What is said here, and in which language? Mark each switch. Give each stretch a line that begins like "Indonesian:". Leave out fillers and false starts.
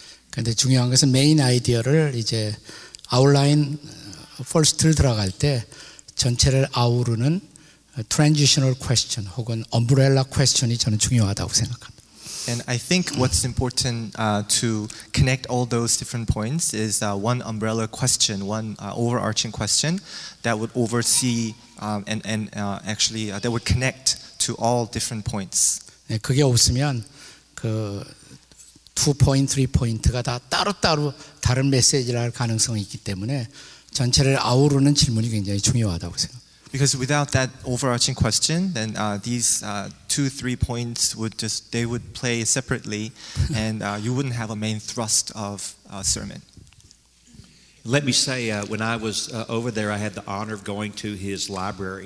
Korean: 근데 중요한 것은 메인 아이디어를 이제 아웃라인 퍼스트를 들어갈 때 전체를 아우르는
English: 트랜지셔널 퀘스천 혹은 엄브렐라 퀘스천이
Korean: 저는 중요하다고 생각합니다.
English: And I think what's important to connect all those different points is one umbrella question, one overarching question that would oversee and actually that would connect to all different points.
Korean: 네, 그게 없으면 그 2 point, 3 point가 다 따로따로 다른 메시지를 할 가능성이 있기 때문에 전체를 아우르는 질문이 굉장히 중요하다고 생각합니다.
English: Because without that overarching question, then these 2, 3 points would just, they would play separately and you wouldn't have a main thrust of a sermon. Let me say, when I was over there, I had the honor of going to his library.